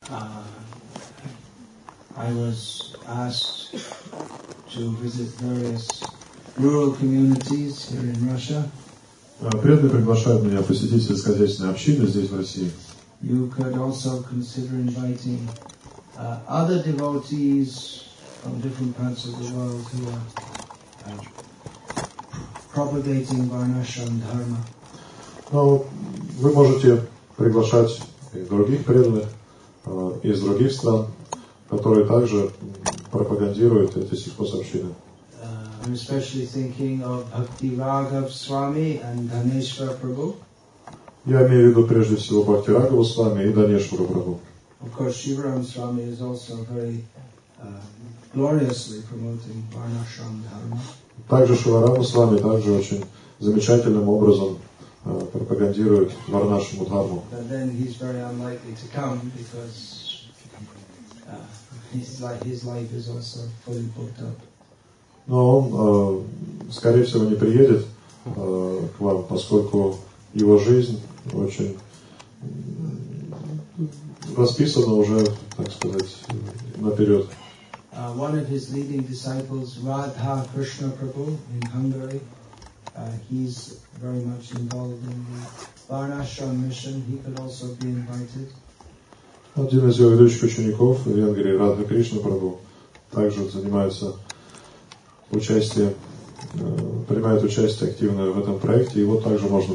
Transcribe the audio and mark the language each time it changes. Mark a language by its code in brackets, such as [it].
[en] I was asked to visit various rural communities here in Russia. [ru] Приятно приглашают меня посетить сельскохозяйственные общины здесь, в России. [en] You could also consider inviting other devotees from different parts of the world who are propagating Varnashram Dharma. [ru] Но вы можете приглашать и других преданных из других стран, которые также пропагандируют эти сельхозобщины. [en] I'm especially thinking of Bhakti Raghav Swami and Dhaneshwar Prabhu. [ru] Я имею в виду прежде всего Бхакти Рагхава Свами и Данешвара Прабху. [en] Of course, Shivaram Swami is also very gloriously promoting Varnashram Dharma. [ru] Также Шиварама Свами также очень замечательным образом пропагандирует Варнашраму Дхарму. [en] But then he's very unlikely to come because his life is also fully booked up. [ru] Но он, скорее всего, не приедет к вам, поскольку его жизнь очень расписана уже, так сказать, наперед. [en] One of his leading disciples, Radha Krishna Prabhu in Hungary, he's very much involved in the Varnashram mission. He could also be invited. [ru] Один из его ведущих учеников в Венгрии, Радха Кришна Прабху, также занимается принимает участие активно в этом проекте, его также можно